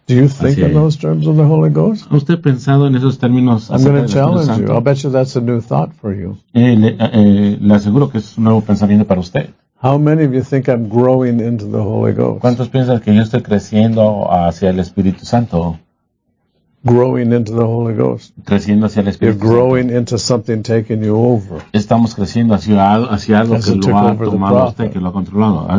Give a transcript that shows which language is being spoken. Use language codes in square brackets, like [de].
[en] Do you think in those terms of the Holy Ghost? [es] ¿Usted ha pensado en esos términos? [en] I'm going to challenge you. I'll bet you that's a new thought for you. [es] Le aseguro que es un nuevo pensamiento para usted. [en] How many of you think I'm growing into the Holy Ghost? [es] ¿Cuántos piensan que yo estoy creciendo hacia el Espíritu Santo? [en] Growing into the Holy Ghost. [es] Creciendo hacia el Espíritu [en] You're [es] Santo. [en] You're growing into something taking you over. [es] Estamos creciendo hacia algo [en] as [es] que lo ha tomado usted, que lo ha controlado.